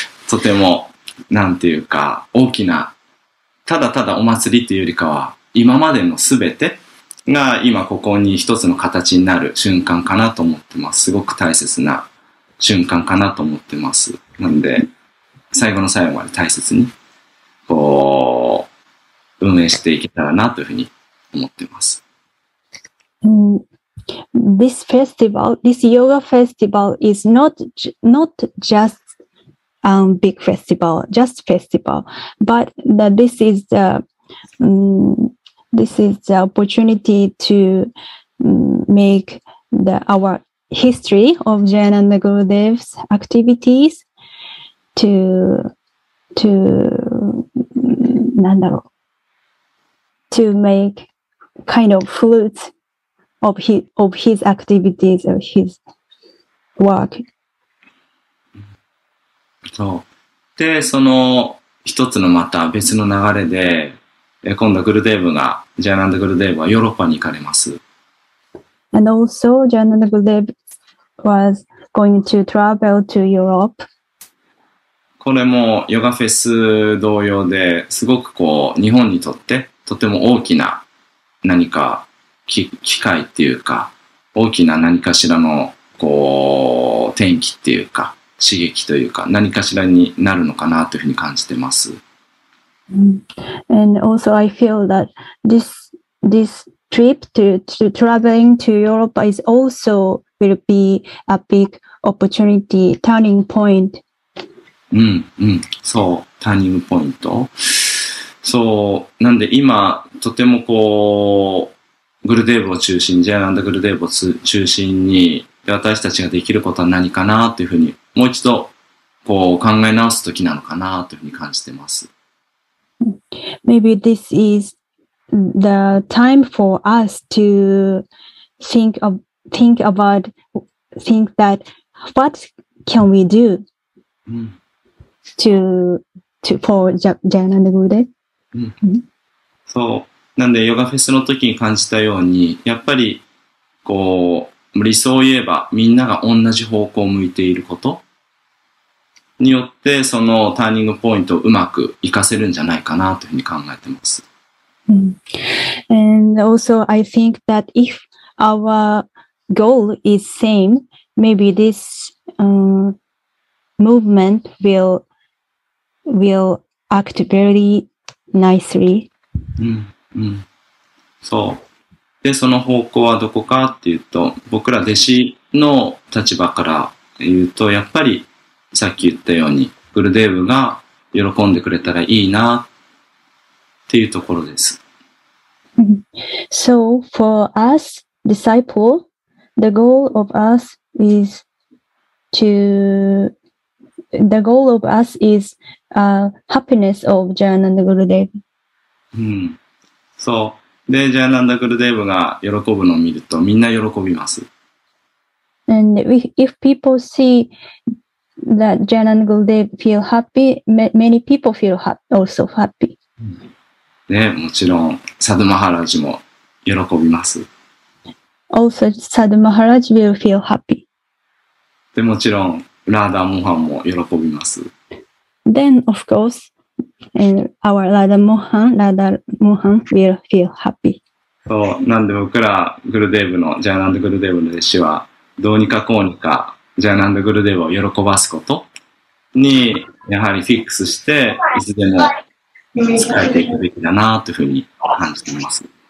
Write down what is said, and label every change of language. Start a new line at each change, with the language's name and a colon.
Japanese: とても、なんていうか、大きな、ただただお祭りというよりかは、今までのすべてが今ここに一つの形になる瞬間かなと思ってます。すごく大切な瞬間かなと思ってます。なんで、最後の最後まで大切に、こう、運営していけたらなというふうに思ってます。
English: This festival, this yoga festival is not just a big festival, just festival, but that this is the, this is the opportunity to make the, our history of Jain and the Gurudev's activities to make kind of fruits of his activities or his work.
Japanese: そう。で、その一つのまた別の流れで、今度グルデーブが、ジャーナンド・グルデーブはヨーロッパに行かれます。
English: And also, ジャーナンド・グルデーブ was going to travel to Europe.
Japanese: これもヨガフェス同様で、すごくこう、日本にとってとても大きな何か機会っていうか、大きな何かしらの、こう、転機っていうか、刺激というか、何かしらになるのかなというふうに感じてます。
English: And also I feel that this trip to traveling to Europe is also will be a big opportunity, turning point.
Japanese: うん、うん、そう、ターニングポイント。そう、なんで今、とてもこう、グルデーブを中心に、ジャイアンドグルデーブを中心に、私たちができることは何かなというふうに、もう一度、こう、考え直すときなのかなというふうに感じてます。
English: Maybe this is the time for us to think that what can we do to for ジャイアンドグルデーブ。
Japanese: そう。なんで、ヨガフェスの時に感じたように、やっぱり、こう、理想を言えば、みんなが同じ方向を向いていることによって、そのターニングポイントをうまく活かせるんじゃないかな、というふうに考えてます。
English: And also, I think that if our goal is same, maybe this, movement will act very nicely.
Japanese: うん、そう。で、その方向はどこかっていうと、僕ら弟子の立場から言うと、やっぱり、さっき言ったように、グルデーブが喜んでくれたらいいな、っていうところです。
English: So, for us, disciple, the goal of us is happiness of Jain and Gurudev.
Japanese: うん。そう。で、ジャイアナンダ・グルデーブが喜ぶのを見ると、みんな喜びます。
English: And if people see that ジャイアナンダ・グルデーブ feel happy, many people feel also happy.
Japanese: で、もちろん、サドマハラジも喜びます。
English: Also, サドマハラジ will feel happy.
Japanese: で、もちろん、ラーダ・モハンも喜びます。
English: Then, of course,And our Radha Mohan will feel happy.
Japanese: そう、なんで僕らグルデーブのジャイナンドグルデーブの弟子はどうにかこうにかジャイナンドグルデーブを喜ばすことにやはりフィックスしていつでも使えていくべきだなというふうに感じています。